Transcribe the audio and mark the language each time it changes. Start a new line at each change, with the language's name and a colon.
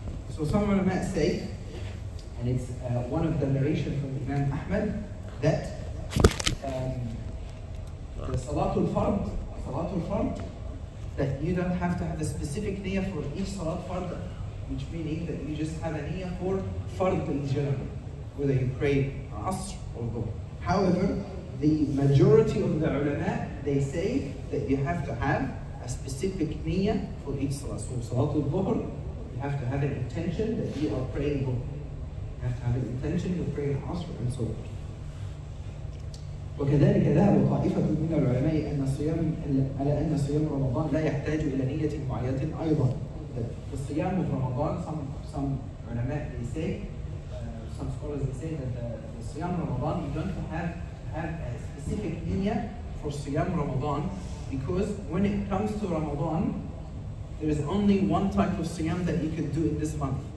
English: So someone might say, and it's one of the narration from Imam Ahmad, that the Salatul Fard, that you don't have to have a specific niyyah for each Salat Fard, which meaning that you just have a niyyah for Fard in general, whether you pray Asr, however, the majority of the ulama, they say that you have to have a specific niyyah for each salah. So Salatul Dhuhr, you have to have an intention that you are praying Dhuhr. You have to have an intention to pray Asr and so on.
Arabic: وكذلك ذهب طائفة من العلماء أن الصيام على أن صيام رمضان لا يحتاج إلى نية معينة أيضا.
English: The صيام of Ramadan, some ulama, they say, some scholars, they say that Siyam Ramadan, you don't have a specific niyyah for Siyam Ramadan, because when it comes to Ramadan, there is only one type of Siyam that you can do in this month.